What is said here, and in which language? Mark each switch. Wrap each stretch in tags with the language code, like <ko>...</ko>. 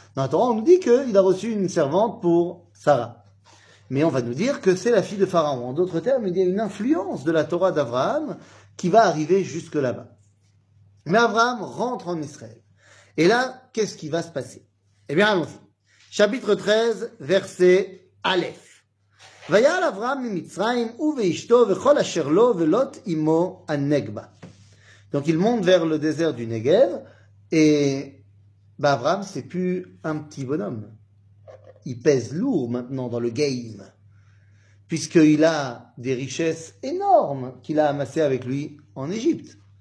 <fr>Dans la Torah, on nous dit qu'il a reçu une servante pour Sarah. Mais on va nous dire que c'est la fille de Pharaon. En d'autres termes, il y a une influence de la Torah d'Abraham qui va arriver jusque là-bas. Mais Abraham rentre en Israël. Et là, qu'est-ce qui va se passer? Eh bien, allons-y. Chapitre 13, verset Aleph.</fr> <he>ויעל אברהם ממצרים ובאשתו וכל אשר לו ולוט אמו הנגבה.</he> <fr>Donc il monte vers le désert du Negev et bah Abraham c'est plus un petit bonhomme. Il pèse lourd maintenant dans le game puisqu'il a des richesses énormes qu'il a amassées avec lui en Égypte.</fr>